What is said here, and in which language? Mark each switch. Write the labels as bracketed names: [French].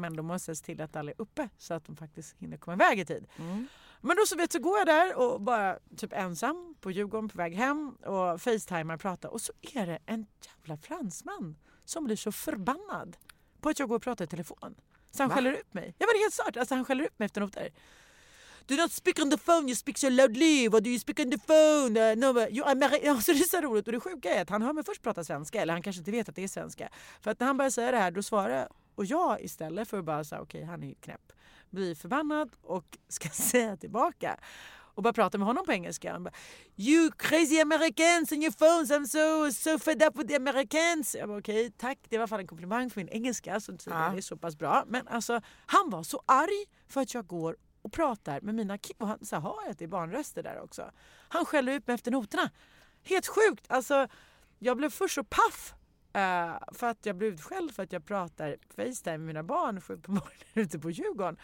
[Swedish] Men då måste jag se till att alla är uppe så att de faktiskt hinner komma iväg i tid. Mm. Men då så vet du, går jag där och bara typ ensam på Djurgården på väg hem och facetimar och pratar. Och så är det en jävla fransman som blir så förbannad på att jag går och pratar i telefon. Så han skäller upp mig. Jag var helt svart. Alltså han skäller upp mig efter något där. [English] Do not speak on the phone, you speak so loudly. What do you speak on the phone? No, you are married. [Swedish] Alltså det är så roligt. Och det sjuka är att han hör mig först prata svenska. Eller han kanske inte vet att det är svenska. För att när han börjar säga det här, då svarar jag. Och jag istället för att bara säga, okej, han är knäpp. Blir förbannad och ska säga tillbaka. Och bara prata med honom på engelska. Han bara, [English] you crazy Americans and your phones, I'm so fed up with the Americans. [Swedish] Jag bara, okej, tack. Det var fan en komplimang för min engelska som tydligen är så pass bra. Men alltså, han var så arg för att jag går och pratar med mina kids. Och han sa, har jag det barnröster där också? Han skällde ut mig efter noterna. Helt sjukt. Alltså, jag blev först så paff. För att jag blev utskälld för att jag pratar FaceTime med mina barn på morgonen ute på Djurgården.